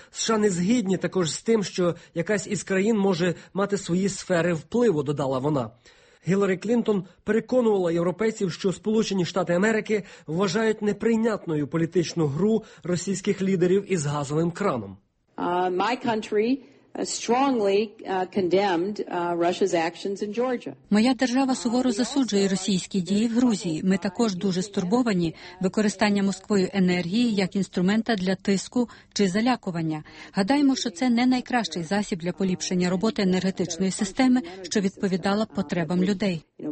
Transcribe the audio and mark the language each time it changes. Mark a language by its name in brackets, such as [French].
[Ukrainian] США не згідні також з тим, що якась із країн може мати свої сфери впливу, додала вона. Гіларі Клінтон переконувала європейців, що Сполучені Штати Америки вважають неприйнятною політичну гру російських лідерів із газовим краном. [English] My country strongly condemned Russia's actions in Georgia. [Ukrainian] Моя держава суворо засуджує російські дії в Грузії. Ми також дуже стурбовані використанням Москвою енергії як інструмента для тиску чи залякування. Гадаємо, що це не найкращий засіб для поліпшення роботи енергетичної системи, що відповідала потребам людей.